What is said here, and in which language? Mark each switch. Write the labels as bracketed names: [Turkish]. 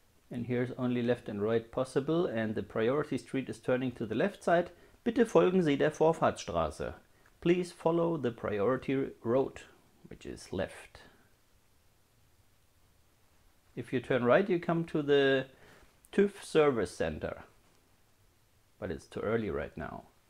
[English] And here's only left and right possible, and the priority street is turning to the left side. [German] Bitte folgen Sie der Vorfahrtsstraße. [English] Please follow the priority road, which is left. If you turn right, you come to the TÜV service center. But it's too early right now.